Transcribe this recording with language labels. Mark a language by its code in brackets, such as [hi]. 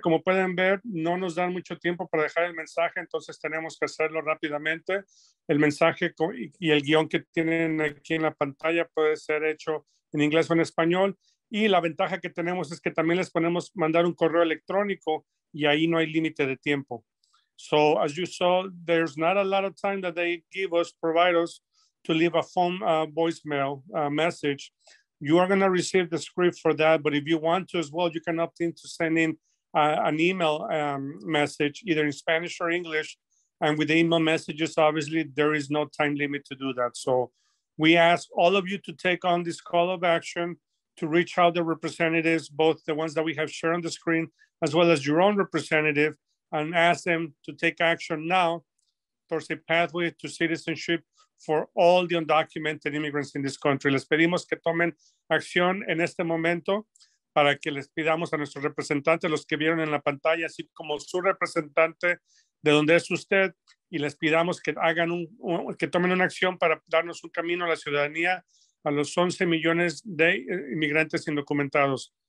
[es] Como pueden ver, no nos dan mucho tiempo para dejar el mensaje, entonces tenemos que hacerlo rápidamente. El mensaje y el guión que tienen aquí en la pantalla puede ser hecho en inglés o en español. Y la ventaja que tenemos es que también les podemos mandar un correo electrónico y ahí no hay límite de tiempo. [en] So, as you saw, there's not a lot of time that they give us, provide us, to leave a phone voicemail message. You are going to receive the script for that, but if you want to as well, you can opt in to send in an email message, either in Spanish or English. And with the email messages, obviously, there is no time limit to do that. So we ask all of you to take on this call of action, to reach out to representatives, both the ones that we have shared on the screen, as well as your own representative, and ask them to take action now towards a pathway to citizenship for all the undocumented immigrants in this country. [es] Les pedimos que tomen acción en este momento para que les pidamos a nuestros representantes, los que vieron en la pantalla, así como su representante de donde es usted, y les pidamos que hagan que tomen una acción para darnos un camino a la ciudadanía a los 11 millones de inmigrantes indocumentados.